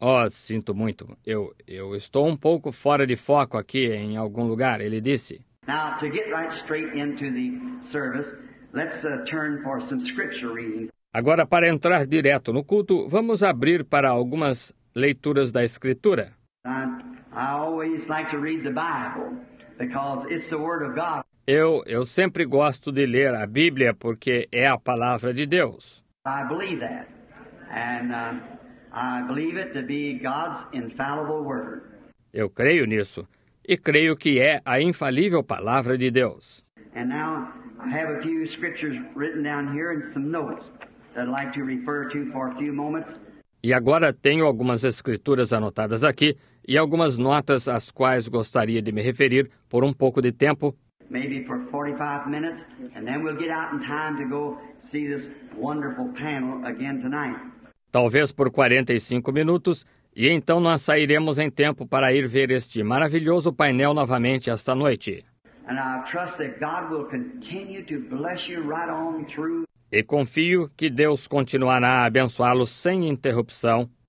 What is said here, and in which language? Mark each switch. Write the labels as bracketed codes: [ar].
[pt] Sinto muito. Eu estou um pouco fora de foco aqui em algum lugar, ele disse. [en] Now, to get right straight into the service, let's turn for some scripture readings. [pt] Agora, para entrar direto no culto, vamos abrir para algumas leituras da Escritura. [en] I always like to read the Bible because it's the word of God. [pt] Eu sempre gosto de ler a Bíblia porque é a palavra de Deus. [en] I believe that. And I believe it to be God's infallible word. [pt] Eu creio nisso e creio que é a infalível palavra de Deus. [en] And now I have a few scriptures written down here and some notes that I'd like to refer to for a few moments. [pt] E agora tenho algumas escrituras anotadas aqui e algumas notas às quais gostaria de me referir por um pouco de tempo. [en] Maybe for 45 minutes, and then we'll get out in time to go see this wonderful panel again tonight. [pt] Talvez por 45 minutos, e então nós sairemos em tempo para ir ver este maravilhoso painel novamente esta noite. [en] And I trust that God will continue to bless you right on through. [pt] E confio que Deus continuará a abençoá-lo sem interrupção.